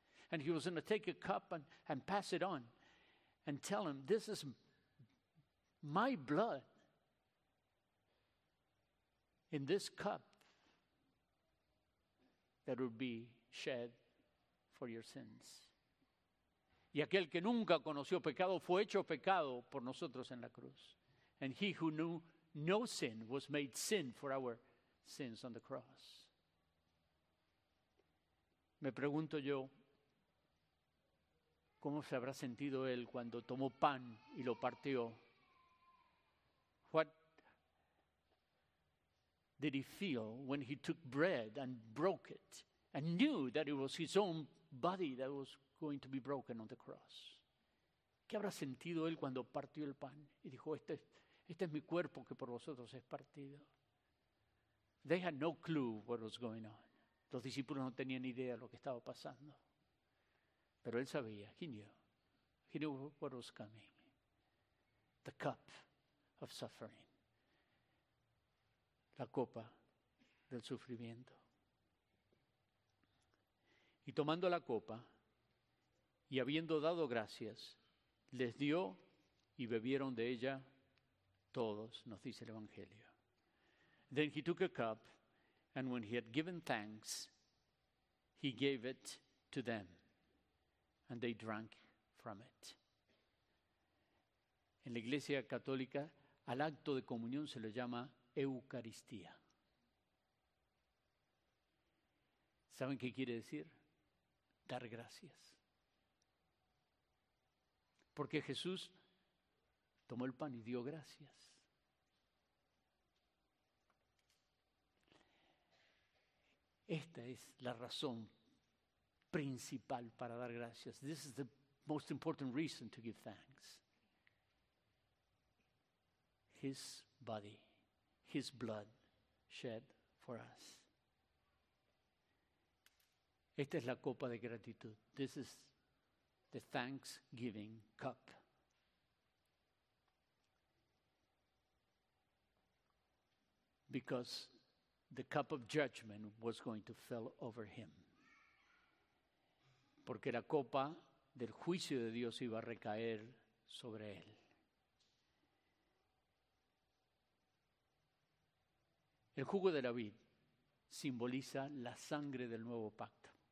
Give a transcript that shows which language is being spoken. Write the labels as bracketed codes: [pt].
[en] And he was going to take a cup and pass it on and tell him, this is my blood in this cup that will be shed for your sins. [es] Y aquel que nunca conoció pecado fue hecho pecado por nosotros en la cruz. [en] And he who knew no sin was made sin for our sins on the cross. [es] Me pregunto yo, ¿cómo se habrá sentido él cuando tomó pan y lo partió? [en] What did he feel when he took bread and broke it and knew that it was his own body that was going to be broken on the cross? [es] ¿Qué habrá sentido él cuando partió el pan y dijo, este es mi cuerpo que por vosotros es partido? [en] They had no clue what was going on. [es] Los discípulos no tenían ni idea de lo que estaba pasando. Pero él sabía, [en] he knew what was coming. The cup of suffering. [es] La copa del sufrimiento. Y tomando la copa y habiendo dado gracias, les dio y bebieron de ella todos, nos dice el Evangelio. [en] Then he took a cup. And when he had given thanks, he gave it to them, and they drank from it. [es] En la Iglesia Católica, al acto de comunión se le llama Eucaristía. ¿Saben qué quiere decir? Dar gracias. Porque Jesús tomó el pan y dio gracias. Esta es la razón principal para dar gracias. [en] This is the most important reason to give thanks. His body, his blood shed for us. [es] Esta es la copa de gratitud. [en] This is the thanksgiving cup. Because the cup of judgment was going to fall over him. [es] porque la copa del juicio de Dios iba a recaer sobre él. El jugo de la vid simboliza la sangre del nuevo pacto.